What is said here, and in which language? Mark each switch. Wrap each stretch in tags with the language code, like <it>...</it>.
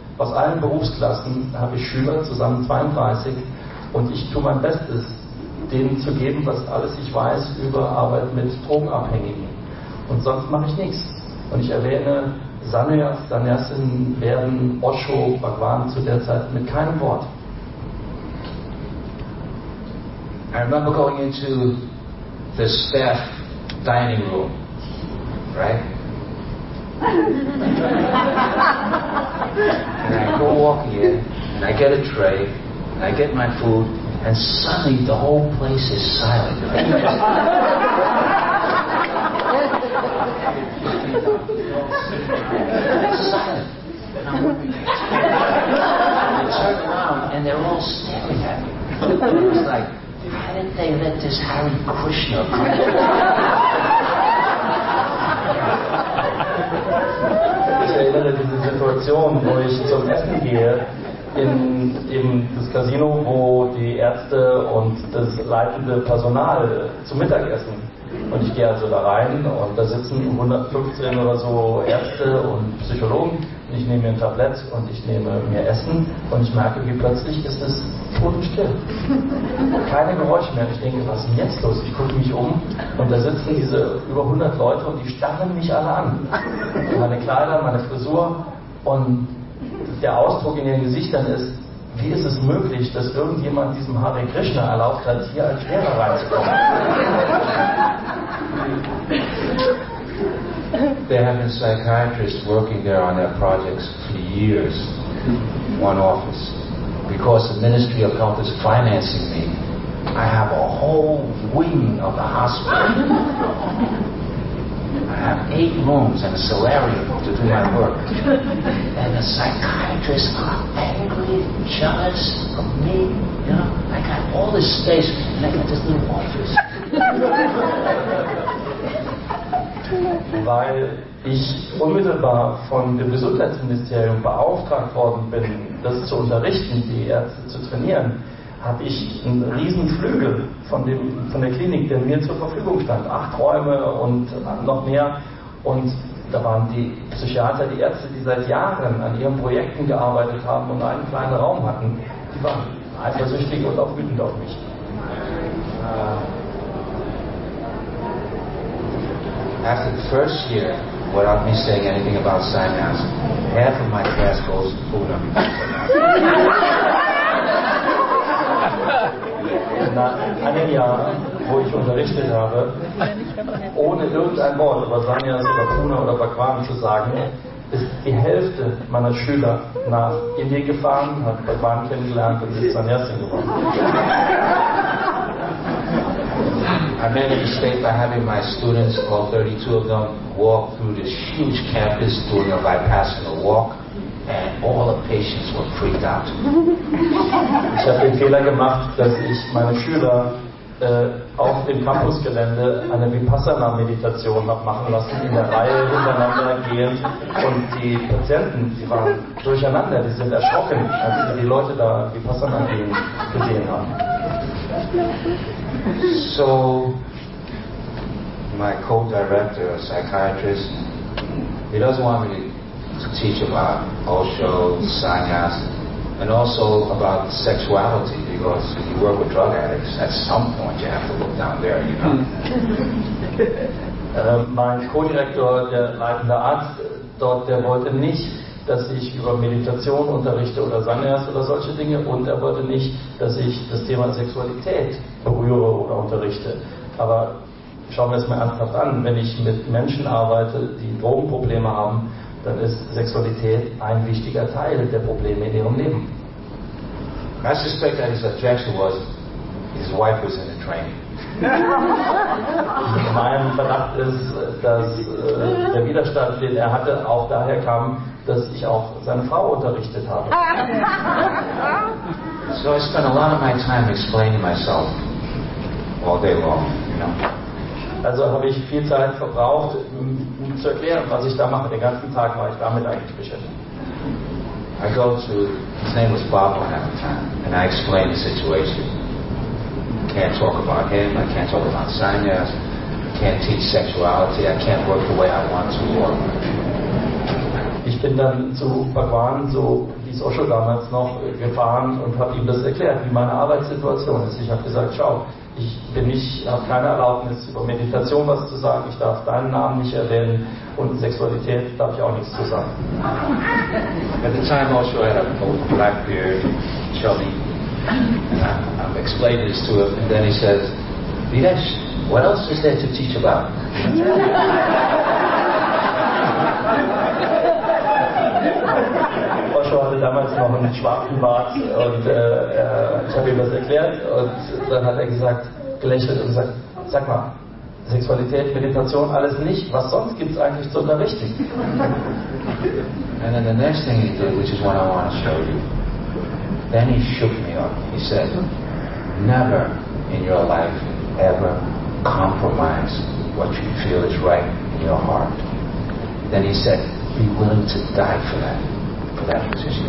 <de>Aus allen Berufsklassen habe ich Schüler, zusammen 32. Und ich tue mein Bestes, denen zu geben, was alles ich weiß über Arbeit mit Drogenabhängigen. Und sonst mache ich nichts. Und ich erwähne Sannyas, Sannyasin werden Osho, Bhagwan zu der Zeit mit keinem Wort.</de> <en>I remember going into the staff dining room, right? And I go walk in, and I get a tray, and I get my food, and suddenly the whole place is silent. I turn around and they're all staring at me. It was like, why didn't they let this Hare Krishna come?</en> <de>Ich erinnere diese Situation, wo ich zum Essen gehe in das Casino, wo die Ärzte und das leitende Personal zum Mittag essen. Und ich gehe also da rein und da sitzen 115 oder so Ärzte und Psychologen und ich nehme mir ein Tablett und ich nehme mir Essen und ich merke, wie plötzlich ist es totenstill. Keine Geräusche mehr. Ich denke, was ist denn jetzt los? Ich gucke mich um und da sitzen diese über 100 Leute und die starren mich alle an. Meine Kleider, meine Frisur und der Ausdruck in ihren Gesichtern ist, wie ist es möglich, dass irgendjemand diesem Hare Krishna erlaubt hat, hier als Lehrer reinzukommen?</de> <en>There have been psychiatrists working there on their projects for years, one office. Because the Ministry of Health is financing me, I have a whole wing of the hospital. I have 8 rooms and a solarium to do my work. And the psychiatrists are angry, jealous of me. You know, I got all this space and I got this little office.</en> <de>Weil ich unmittelbar von dem Gesundheitsministerium beauftragt worden bin, das zu unterrichten, die Ärzte zu trainieren, habe ich einen riesen Flügel von der Klinik, der mir zur Verfügung stand. 8 Räume und noch mehr. Und da waren die Psychiater, die Ärzte, die seit Jahren an ihren Projekten gearbeitet haben und einen kleinen Raum hatten, die waren eifersüchtig und auch wütend auf mich.</de> <en>After the first year, without me saying anything about sannyas, half of my class goes to Pune.</en> <de>Nach einem Jahr, wo ich unterrichtet habe, ohne irgendein Wort über Sannyas oder Pune oder Bhagwan zu sagen, ist die Hälfte meiner Schüler nach Indien gefahren, hat Bhagwan kennengelernt und ist Sannyasin geworden.</de> <en>I made a mistake by having my students, all 32 of them, walk through this huge campus doing a Vipassana walk, and all the patients were freaked out.</en> <de>Ich habe den Fehler gemacht, dass ich meine Schüler auf dem Campusgelände eine Vipassana-Meditation habe machen lassen, in der Reihe hintereinander gehend, und die Patienten, die waren durcheinander, die sind erschrocken, als sie die Leute da Vipassana gehen gesehen haben.</de> <en>So, my co-director, a psychiatrist, he doesn't want me to teach about Osho, sannyas, and also about sexuality, because if you work with drug addicts, at some point you have to look down there, you know.</en> <de>Mein co-director, der leitende Arzt dort, der wollte nicht, dass ich über Meditation unterrichte oder Sannyas oder solche Dinge, und er wollte nicht, dass ich das Thema Sexualität berühre oder unterrichte. Aber schauen wir es mal ernsthaft an, wenn ich mit Menschen arbeite, die Drogenprobleme haben, dann ist Sexualität ein wichtiger Teil der Probleme in ihrem Leben.</de> <en>I suspect that his objection was, his wife was in the training.</en> <de>Mein Verdacht ist, dass der Widerstand, den er hatte, auch daher kam, dass ich auch seine Frau unterrichtet habe.</de> <en>So I spent a lot of my time explaining myself all day long, you know.</en> <de>Also habe ich viel Zeit verbraucht, um zu erklären, was ich da mache. Den ganzen Tag war ich damit eigentlich beschäftigt.</de> <en>I go to, his name was Bob at the time, and I explain the situation. I can't talk about him, I can't talk about sannyas, I can't teach sexuality, I can't work the way I want to work.</en> <de>Ich bin dann zu Bhagwan, so hieß Osho damals noch, gefahren und habe ihm das erklärt, wie meine Arbeitssituation ist. Ich habe gesagt, schau, ich bin nicht, habe keine Erlaubnis, über Meditation was zu sagen, ich darf deinen Namen nicht erwähnen und Sexualität darf ich auch nichts zu sagen.</de> <en>At the time also I had a black beard, chubby, and I'm explaining this to him, and then he says, Dinesh, what else is there to teach about?</en> <de>Damals noch einen schwarzen Bart und ich habe ihm das erklärt und dann hat er gesagt, gelächelt und gesagt, sag mal, Sexualität, Meditation, alles nicht, was sonst gibt es eigentlich zu unterrichten?</de> <en>And then the next thing he did, which is what I want to show you, then he shook me up. He said, never in your life ever compromise what you feel is right in your heart. Then he said, be willing to die for that. That position.</en>